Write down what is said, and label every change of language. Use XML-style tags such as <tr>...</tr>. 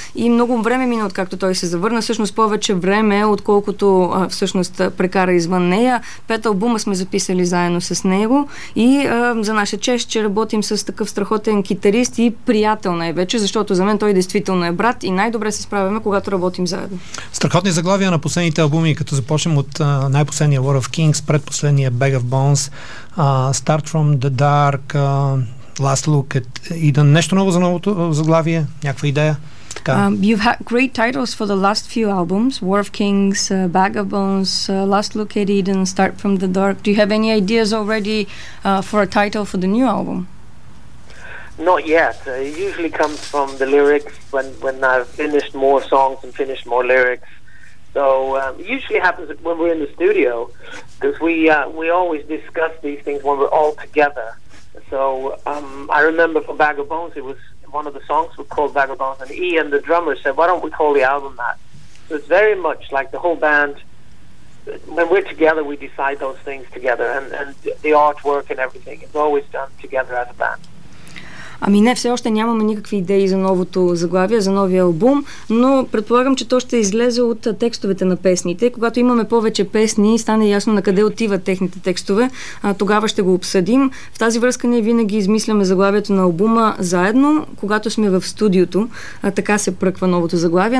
<bg>И много време мина, откакто той се завърна. Всъщност повече време, отколкото всъщност прекара извън нея. 5 албума сме записали заедно с него. И за наша чест, че работим с такъв страхотен китарист и приятел най-вече, защото за мен той действително е брат и най-добре се справяме, когато работим заедно. Страхотни заглавия на последните албуми, като започнем от най-последния War of Kings, предпоследния Bag of Bones, Start from the Dark, Last Look at Eden. Нещо ново за новото заглавие? Някаква идея?</bg> <en>You've had great titles for the last few albums, War of Kings, Bag of Bones, Last Look at Eden, Start from the Dark. Do you have any ideas already for a title for the new album? Not yet. It usually comes from the lyrics when I've finished more songs and finished more lyrics. So it usually happens when we're in the studio, because we always discuss these things when we're all together. So I remember for Bag of Bones, it was one of the songs was called Bag of Bones, and Ian, the drummer, said, why don't we call the album that? So it's very much like the whole band, when we're together, we decide those things together, and the artwork and everything is always done together as a band.</en> <bg>Ами не, все още нямаме никакви идеи за новото заглавие, за новия албум, но предполагам, че то ще излезе от текстовете на песните. Когато имаме повече песни и стане ясно на къде отиват техните текстове, тогава ще го обсъдим. В тази връзка ние винаги измисляме заглавието на албума заедно, когато сме в студиото, така се пръква новото заглавие.</bg>